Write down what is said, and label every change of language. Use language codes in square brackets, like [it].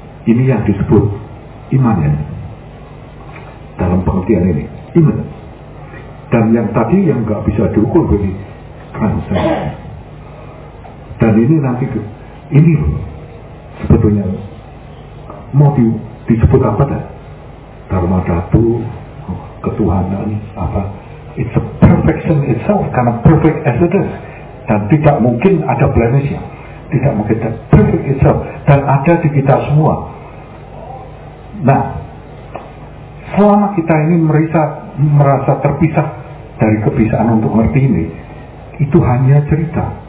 [id] Ini yang disebut iman ya. Dalam pengertian ini. Iman. Dan yang tadi yang enggak bisa diukur bagi transaksi. Dan ini nanti, ini sebetulnya mau disebut apa dah? Dharma Ratu, ketuhanan, apa? [en] It's a perfection itself, [id] karena [en] perfect as it is. [id] Dan tidak mungkin ada blemishnya. Tidak mungkin, [en] that perfect itself. [id] Dan ada di kita semua. Nah, selama kita ini merasa terpisah dari kebisaan untuk mengerti ini, itu hanya cerita.